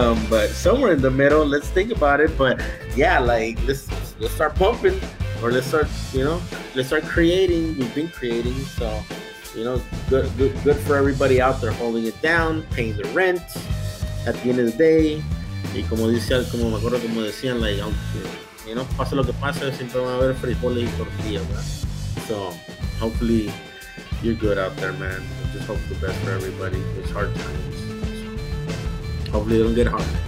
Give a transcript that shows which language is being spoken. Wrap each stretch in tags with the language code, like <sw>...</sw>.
<en>but somewhere in the middle, let's think about it. But yeah, like, let's start pumping. or let's start, you know, let's start creating. We've been creating, so, you know, good for everybody out there holding it down, paying the rent at the end of the day.</en> <es>Y como decía, como me acuerdo, como decían,</es> <en>like, you know,</en> <es>pase lo que pase, siempre van a haber frijoles y tortillas, ¿verdad?</es> <en>So, hopefully, you're good out there, man. I just hope the best for everybody. It's hard times. So, hopefully, it'll get harder.</en>